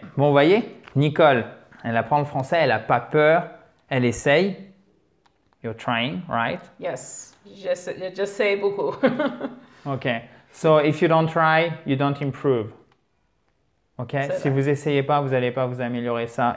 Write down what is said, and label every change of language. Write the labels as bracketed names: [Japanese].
[French] Bon, vous voyez, Nicole, elle apprend le français, elle n'a pas peur, elle essaye. [English] You're trying, right? [French] Yes, j'essaie beaucoup. [English] Ok, so if you don't try, you don't improve. Ok, [French] c'est si vrai. Vous essayez pas, vous n'allez pas vous améliorer ça.